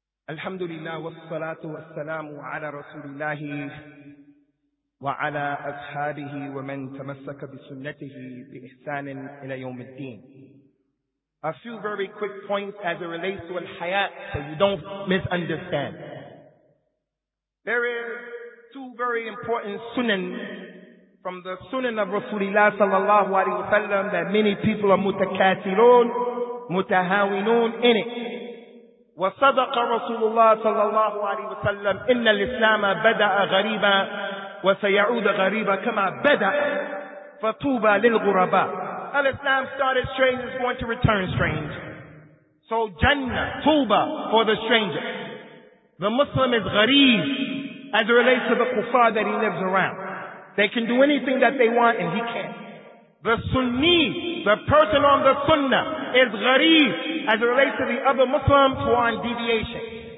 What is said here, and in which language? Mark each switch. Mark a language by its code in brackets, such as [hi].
[ar] الحمد لله والصلاة والسلام على رسول الله وعلى أصحابه ومن تمسك بسنته بإحسان إلى يوم الدين. [en] A few very quick points as it relates to al-haya, so you don't misunderstand. There is two very important sunan from the sunan of Rasulullah [ar] sallallahu alayhi wa sallam [en] that many people are mutakathirun, mutahawinun in it. [ar] وصدق رسول الله صلى الله عليه وسلم إن الإسلام بدأ غريبا وسيعود غريبا كما بدأ فطوبى للغرباء. [en] Al-Islam started strange, is going to return strange. So Jannah, Tuba for the stranger. The Muslim is gharib as it relates to the kuffar that he lives around. They can do anything that they want and he can't. The Sunni, the person on the Sunnah, is gharib as it relates to the other Muslims who are in deviation.